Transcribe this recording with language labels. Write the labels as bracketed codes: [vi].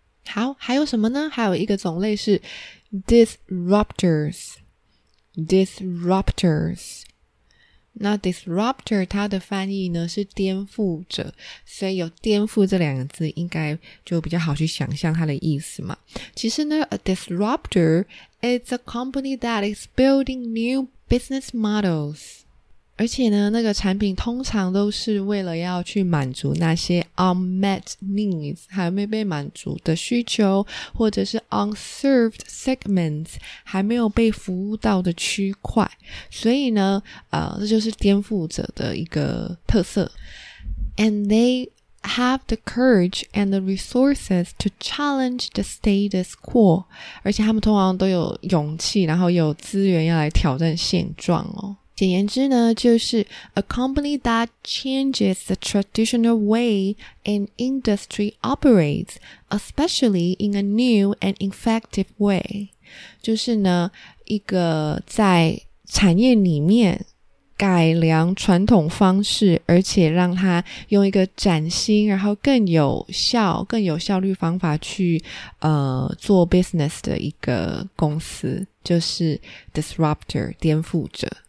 [zh] 好，还有什么呢？还有一个种类是 disruptors。 [en] disruptors。 [zh] 那 disruptor 它的翻译呢是颠覆者，所以有颠覆这两个字应该就比较好去想象它的意思嘛。其实呢 [en] a disruptor is a company that is building new business models。 [zh] 而且呢那个产品通常都是为了要去满足那些 [en] unmet needs [zh] 还没被满足的需求，或者是 [en] unserved segments [zh] 还没有被服务到的区块，所以呢这就是颠覆者的一个特色。 [en] And they have the courage and the resources to challenge the status quo， [zh] 而且他们通常都有勇气然后有资源要来挑战现状哦。简言之呢就是 [en] a company that changes the traditional way an industry operates, especially in a new and effective way。 [zh] 就是呢一个在产业里面改良传统方式，而且让它用一个崭新然后更有效更有效率方法去做 business 的一个公司，就是 disruptor 颠覆者。